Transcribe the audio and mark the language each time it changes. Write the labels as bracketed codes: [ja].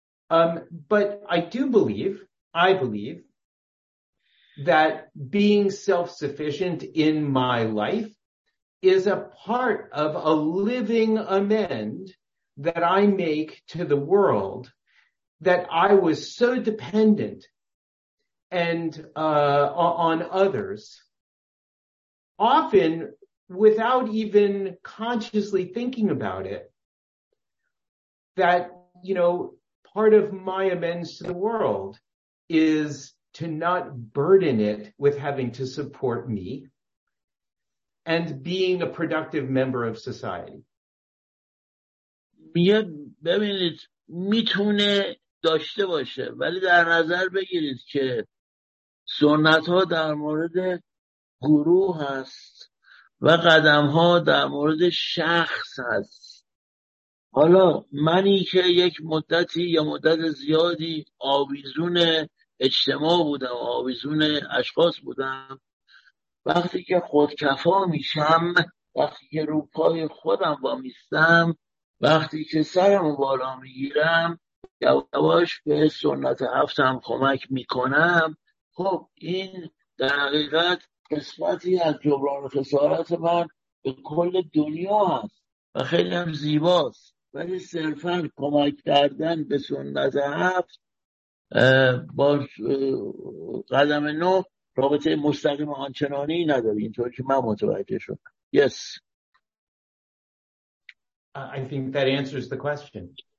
[en] But I believe that being self-sufficient in my life is a part of a living amend that I make to the world that I was so dependent and on others, often without even consciously thinking about it, that, you know, part of my amends to the world is to not burden it with having to support me and being a productive member of society. [fa] ببینید میتونه داشته باشه، ولی در نظر بگیرید که سنت ها در مورد گروه هست و قدم ها در مورد شخص هست. حالا منی که یک مدتی یا مدت زیادی آویزون اجتماع بودم و آویزون اشخاص بودم، وقتی که خودکفا میشم، وقتی که روپای خودم با میستم، وقتی که سرمو بالا میگیرم، یواش به سنت هفتم کمک میکنم، خب این در حقیقت قسمتی از جبران خسارت من به کل دنیا هست و خیلی هم زیباست. ولی صرفا کمک کردن به سنت هفت با قدم نو رابطه مستقیم آنچنانی نداری، اینطور که من متوجه شدم. [en] Yes. I think that answers the question.